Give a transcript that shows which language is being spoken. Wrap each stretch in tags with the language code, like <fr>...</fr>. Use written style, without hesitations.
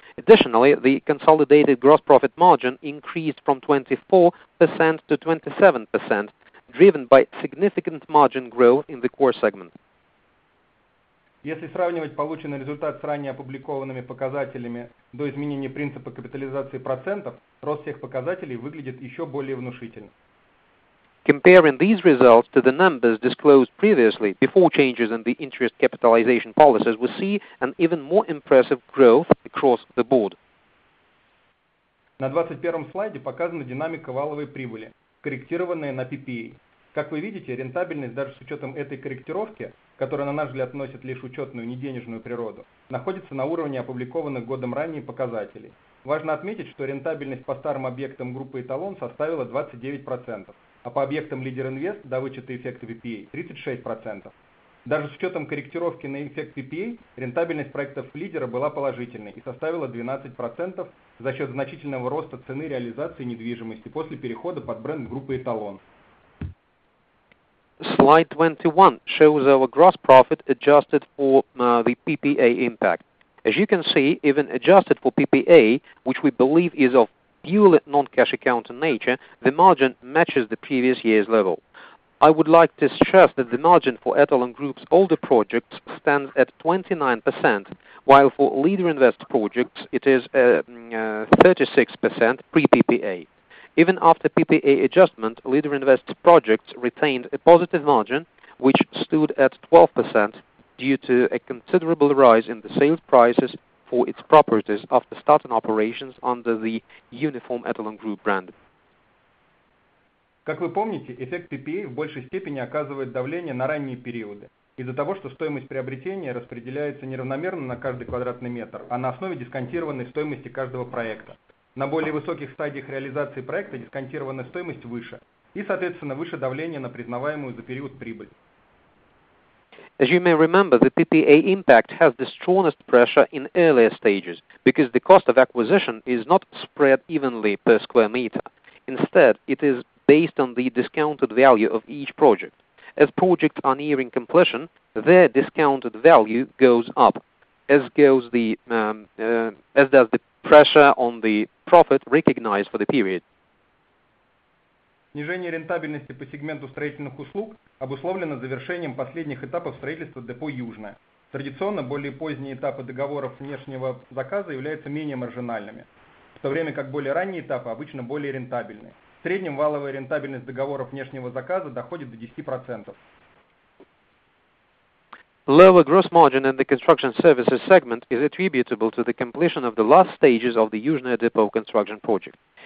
<en>Additionally, the consolidated gross profit margin increased from 24% to 27%, driven by significant margin growth in the core segment.</en> <ru>Если сравнивать полученный результат с ранее опубликованными показателями до изменения принципа капитализации процентов, рост всех показателей выглядит еще более внушительно.</ru> <en>Comparing these results to the numbers disclosed previously, before changes in the interest capitalization policies, we see an even more impressive growth across the board.</en> <ru>На 21-м слайде показана динамика валовой прибыли, корректированная на PPA. Как вы видите, рентабельность даже с учетом этой корректировки, которая, на наш взгляд, носит лишь учетную, неденежную природу, находится на уровне опубликованных годом ранее показателей. Важно отметить, что рентабельность по старым объектам группы «Эталон» составила 29%. А по объектам «Лидер Инвест» до вычета эффекта PPA – 36%. Даже с учетом корректировки на эффект PPA, рентабельность проектов «Лидера» была положительной и составила 12% за счет значительного роста цены реализации недвижимости после перехода под бренд группы «Эталон».</ru> <en>Slide 21 shows our gross profit adjusted for the PPA impact. As you can see, even adjusted for PPA, which we believe is of purely non-cash account in nature, the margin matches the previous year's level. I would like to stress that the margin for Etalon Group's older projects stands at 29%, while for Leader Invest projects it is 36% pre-PPA. Even after PPA adjustment, Leader Invest projects retained a positive margin, which stood at 12% due to a considerable rise in the sales prices for its properties after starting operations under the Uniform Etalon Group brand.</en> <ru>Как вы помните, эффект PPA в большей степени оказывает давление на ранние периоды из-за того, что стоимость приобретения распределяется неравномерно на каждый квадратный метр, а на основе дисконтированной стоимости каждого проекта. На более высоких стадиях реализации проекта дисконтированная стоимость выше и, соответственно, выше давление на признаваемую за период прибыль.</ru> <en>As you may remember, the PPA impact has the strongest pressure in earlier stages because the cost of acquisition is not spread evenly per square meter. Instead, it is based on the discounted value of each project. As projects are nearing completion, their discounted value goes up, as goes the as does the pressure on the profit recognized for the period.</en> <ru>Снижение рентабельности по сегменту строительных услуг обусловлено завершением последних этапов строительства депо «Южное». Традиционно более поздние этапы договоров внешнего заказа являются менее маржинальными, в то время как более ранние этапы обычно более рентабельны. В среднем валовая рентабельность договоров внешнего заказа доходит до 10%.</ru> <en>Lower gross margin in the construction services segment is attributable to the completion of the last stages of the Yuzhnoye Depo construction project.</en>